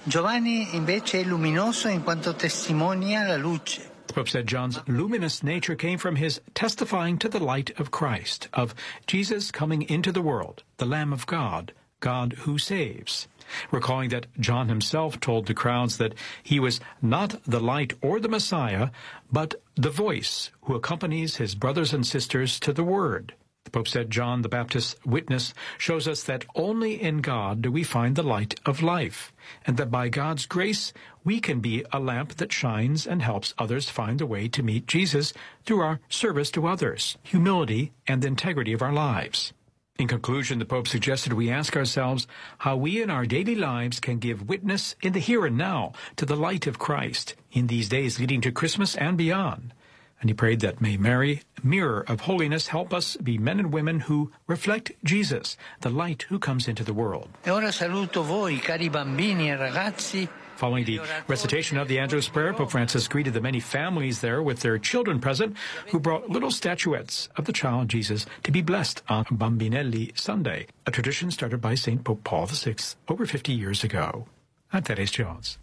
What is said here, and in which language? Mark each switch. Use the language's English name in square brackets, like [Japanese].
[Italian] Giovanni invece è luminoso in quanto testimonia la luce. [English] The Pope said John's luminous nature came from his testifying to the light of Christ, of Jesus coming into the world, the Lamb of God, God who saves. Recalling that John himself told the crowds that he was not the light or the Messiah, but the voice who accompanies his brothers and sisters to the word. The Pope said John the Baptist's witness shows us that only in God do we find the light of life, and that by God's grace we can be a lamp that shines and helps others find a way to meet Jesus through our service to others, humility, and the integrity of our lives. In conclusion, the Pope suggested we ask ourselves how we in our daily lives can give witness in the here and now to the light of Christ in these days leading to Christmas and beyond. And he prayed that may Mary, mirror of holiness, help us be men and women who reflect Jesus, the light who comes into the world. [Italian] E ora saluto voi, cari bambini e ragazzi. [English] Following the recitation of the Angelus Prayer, Pope Francis greeted the many families there with their children present who brought little statuettes of the child Jesus to be blessed on Bambinelli Sunday, a tradition started by St. Pope Paul VI over 50 years ago. I'm Thaddeus Jones.